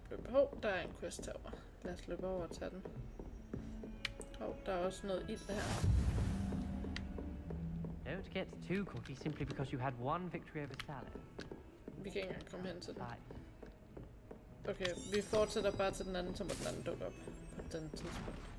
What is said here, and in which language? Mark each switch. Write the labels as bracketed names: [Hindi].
[Danish] Hov, der er en quest herovre. Lad os løbe over og tage den. Hov, der er også noget ild her. [English] Don't get too cocky simply because you had one victory over Salad. [Danish] Vi kan ikke engang komme hen til den. Okay, vi fortsætter bare til den anden, så må den anden dukke op på den tidspunkt.